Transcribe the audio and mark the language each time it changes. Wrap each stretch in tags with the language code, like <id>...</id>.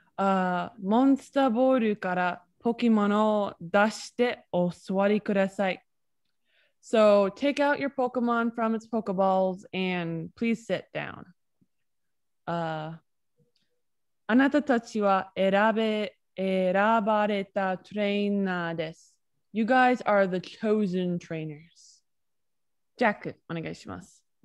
<ja>モンスターボールからポケモンを出してお座りください。</ja> <en>So take out your Pokemon from its Pokeballs and please sit down.</en> <ja>あなたたちは選ばれたトレーナーです。</ja> <en>You guys are the chosen trainers.</en> <ja>ジャック、お願いします。</ja>